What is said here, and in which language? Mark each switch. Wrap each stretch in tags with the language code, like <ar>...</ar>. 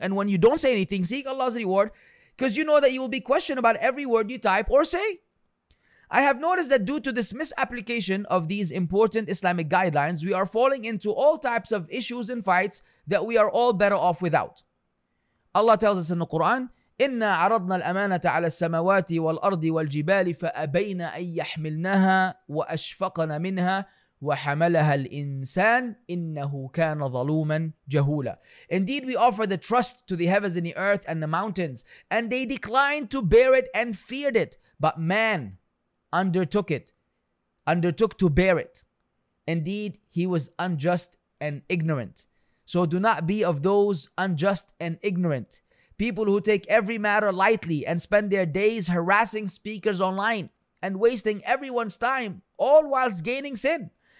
<en>And when you don't say anything, seek Allah's reward, because you know that you will be questioned about every word you type or say. I have noticed that due to this misapplication of these important Islamic guidelines, we are falling into all types of issues and fights that we are all better off without. Allah tells us in the Quran,</en> <ar>إِنَّا عَرَضْنَا الْأَمَانَةَ عَلَى السَّمَوَاتِ وَالْأَرْضِ وَالْجِبَالِ فَأَبَيْنَا أَن يَحْمِلْنَهَا وَأَشْفَقَنَا مِنْهَا وَحَمَلَهَا الْإِنسَانِ إِنَّهُ كَانَ ظَلُومًا جَهُولًا.</ar> <en>Indeed, we offer the trust to the heavens and the earth and the mountains, and they declined to bear it and feared it, but man undertook to bear it. Indeed, he was unjust and ignorant. So do not be of those unjust and ignorant people who take every matter lightly and spend their days harassing speakers online and wasting everyone's time, all whilst gaining sin.</en>